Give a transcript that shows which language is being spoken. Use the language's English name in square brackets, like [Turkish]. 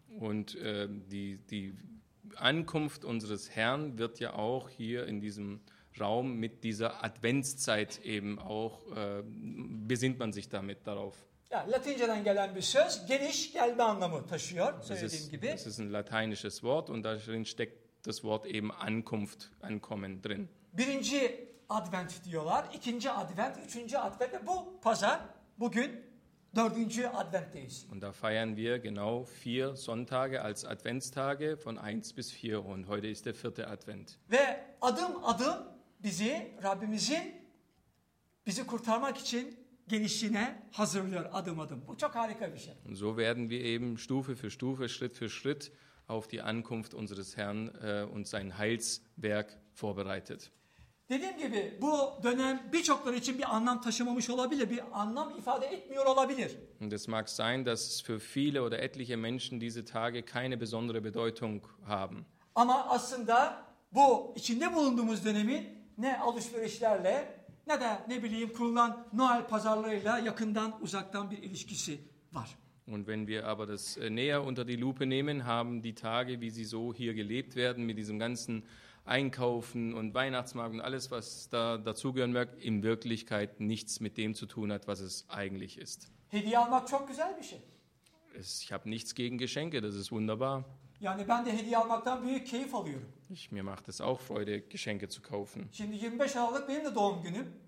[German] Und die Ankunft unseres Herrn wird ja auch hier in diesem Raum mit dieser Adventszeit eben auch besinnt man sich damit darauf. [Turkish] Ja, Latinceden gelen bir söz, geliş, gelme anlamı taşıyor, söylediğim gibi. [German] Das ist ein lateinisches Wort und darin steckt das Wort eben Ankunft, Ankommen drin. [Turkish] Birinci Advent diyorlar, ikinci Advent, üçüncü Advent ve bu pazar, bugün dördüncü Advent'teyiz. [German] Und da feiern wir genau vier Sonntage als Adventstage von 1 bis 4 und heute ist der vierte Advent. [Turkish] Ve adım adım bizi, Rabbimizin bizi kurtarmak için gelişine hazırlıyor adım adım. Bu çok harika bir şey. [German] So werden wir eben Stufe für Stufe, Schritt für Schritt auf die Ankunft unseres Herrn und sein Heilswerk vorbereitet. [Turkish] Dediğim gibi bu dönem birçokları için bir anlam taşımamış olabilir, bir anlam ifade etmiyor olabilir. [German] Und es mag sein, dass für viele oder etliche Menschen diese Tage keine besondere Bedeutung haben. [Turkish] Ama aslında bu içinde bulunduğumuz dönemin ne alışverişlerle ne de ne bileyim kurulan Noel pazarlarıyla yakından uzaktan bir ilişkisi var. [German] Und wenn wir aber das näher unter die Lupe nehmen, haben die Tage, wie sie so hier gelebt werden, mit diesem ganzen Einkaufen und Weihnachtsmarkt und alles, was da dazugehören mag, in Wirklichkeit nichts mit dem zu tun hat, was es eigentlich ist. [Turkish] Hediye almak çok güzel bir şey. [German] Ich habe nichts gegen Geschenke, das ist wunderbar. [Turkish] Yani ben de hediye almaktan büyük keyif alıyorum. [German] Mir macht es auch Freude, Geschenke zu kaufen. [Turkish] Şimdi 25 Aralık benim de doğum günüm.